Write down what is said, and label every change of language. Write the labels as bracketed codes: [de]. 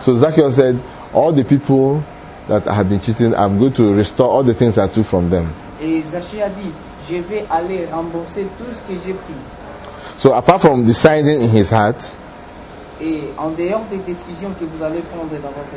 [en] So Zacchaeus said, all the people that I have been cheating, I'm going to restore all the things I took from them. [fr] Et Zacchaeus a dit, je vais aller rembourser tout ce que j'ai pris. [en] So apart from deciding in his heart, [fr] et en dehors des décisions que vous allez prendre dans votre